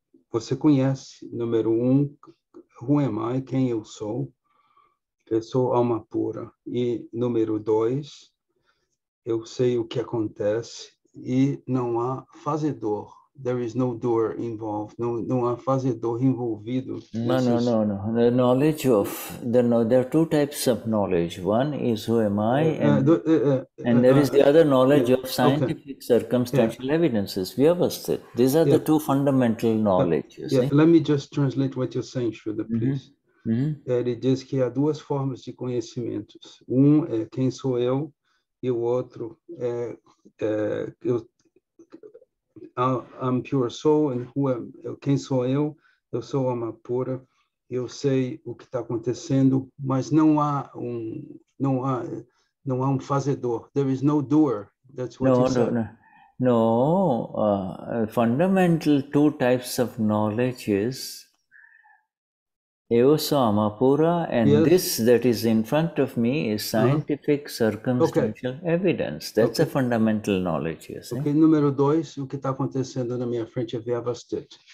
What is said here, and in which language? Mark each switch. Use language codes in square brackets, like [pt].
[pt] Você conhece, número um, [en] who am I, [pt] quem eu sou? Eu sou alma pura. E número dois, eu sei o que acontece e não há fazedor. [en] There is no doer involved. [pt] Não há fazedor envolvido. [en] No. The knowledge of there are two types of knowledge. One is who am I, and there is the other knowledge of scientific circumstantial evidences. Vyavasthit. These are the two fundamental knowledge. Let me just translate what you're saying, Shuddha, please. [pt] Ele diz que há duas formas de conhecimentos. Um é quem sou eu e o outro é [en] I'm pure soul, and who am, [pt] quem sou eu? Eu sou alma pura. eu sei o que está acontecendo, mas não há um, não há, não há um fazedor. [en] There is no doer. That's what you said. Fundamental two types of knowledge is Eosamapura, and yes, this that is in front of me is scientific circumstantial evidence. That's a fundamental knowledge, you see. [pt] Okay, número dois, o que está acontecendo na minha frente é Vyavasthit.